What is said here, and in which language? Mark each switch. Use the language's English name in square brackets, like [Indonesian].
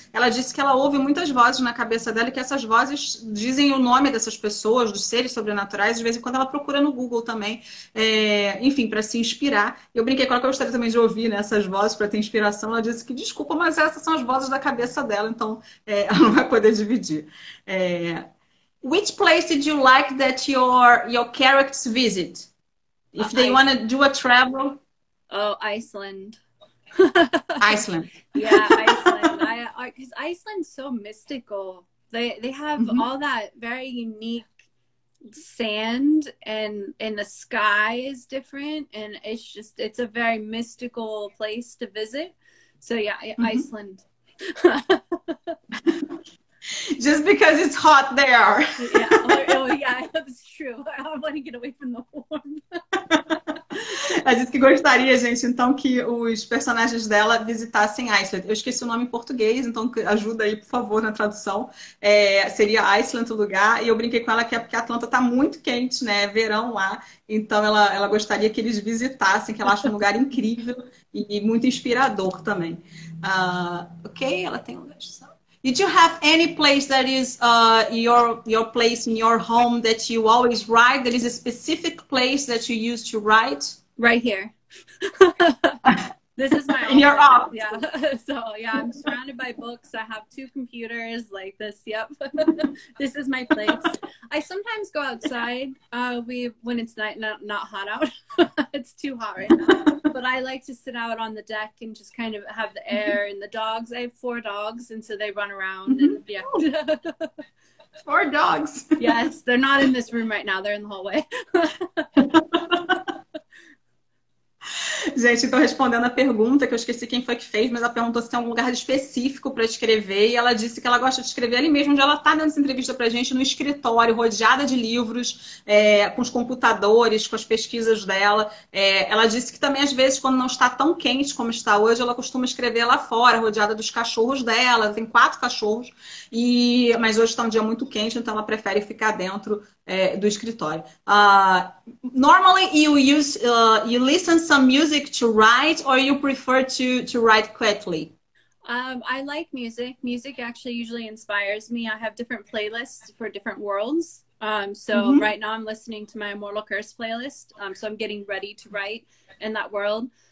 [Portuguese] Ela disse que ela ouve muitas vozes na cabeça dela e que essas vozes dizem o nome dessas pessoas, dos seres sobrenaturais. De vez em quando ela procura no Google também, enfim, para se inspirar. Eu brinquei com ela que eu gostaria também de ouvir, né, essas vozes para ter inspiração. Ela disse que desculpa, mas essas são as vozes da cabeça dela, então ela não vai poder dividir. [English] Which place did you like that your characters visit? If they want to do a travel? Oh, Iceland. Iceland. Yeah, Iceland. I 'cause Iceland's so mystical. They have all that very unique sand and the sky is different and it's a very mystical place to visit. So yeah, Iceland. Just because it's hot there. Yeah, oh yeah, that's true. I want to get away from the warmth. [Portuguese] Ela disse que gostaria, gente, então, que os personagens dela visitassem Iceland. Eu esqueci o nome em português, então ajuda aí, por favor, na tradução. Seria Iceland o lugar. E eu brinquei com ela que é porque a Atlanta está muito quente, né? É verão lá. Então ela gostaria que eles visitassem, que ela acha um lugar incrível e muito inspirador também. Ok, ela tem um. [English] Did you have any place that is your place in your home that you always write? There is a specific place that you used to write? Right here. This is my In your office. office. Yeah. So, yeah, I'm surrounded by books. I have two computers like this. Yep. This is my place. I sometimes go outside when it's night, not hot out. It's too hot right now. But I like to sit out on the deck and just kind of have the air and the dogs. I have four dogs, and so they run around and yeah. Four dogs. Yes, they're not in this room right now, they're in the hallway. [Portuguese] Gente, então respondendo a pergunta, que eu esqueci quem foi que fez, mas ela perguntou se tem algum lugar específico para escrever, e ela disse que ela gosta de escrever ali mesmo, onde ela está dando essa entrevista para a gente, no escritório, rodeada de livros, com os computadores, com as pesquisas dela. Ela disse que também, às vezes, quando não está tão quente como está hoje, ela costuma escrever lá fora, rodeada dos cachorros dela. Tem quatro cachorros, mas hoje está um dia muito quente, então ela prefere ficar dentro do escritório. [English] Normally you listen some music to write, or you prefer to write quickly? I like music. Music actually usually inspires me. I have different playlists for different worlds. So right now I'm listening to my Immortal Curse playlist. So I'm getting ready to write in that world.